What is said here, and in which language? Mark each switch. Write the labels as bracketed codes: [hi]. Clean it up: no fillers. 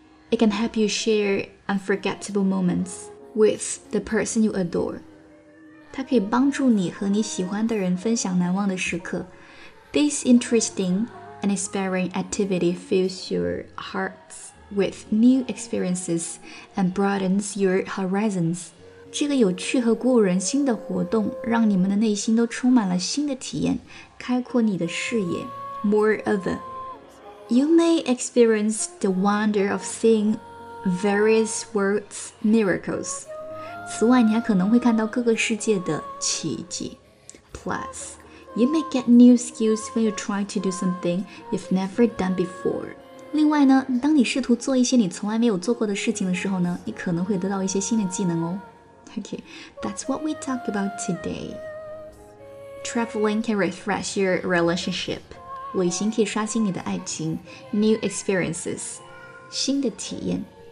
[en] It can help you share unforgettable moments with the person you adore. [zh] 它可以帮助你和你喜欢的人分享难忘的时刻。 [en] This interesting and inspiring activity fills your heart with new experiences and broadens your horizons. [zh] 这个有趣和鼓舞人心的活动让你们的内心都充满了新的体验，开阔你的视野。 [en] Moreover,You may experience the wonder of seeing various world's miracles. [zh] 此外，你还可能会看到各个世界的奇迹。 [en] Plus, you may get new skills when you try to do something you've never done before. [zh] 另外呢，当你试图做一些你从来没有做过的事情的时候呢，你可能会得到一些新的技能哦。 [en] Okay, that's what we talk about today. Traveling can refresh your relationship. [zh] 旅行可以刷新你的爱情 ， [en] new experiences， [zh] 新的体验。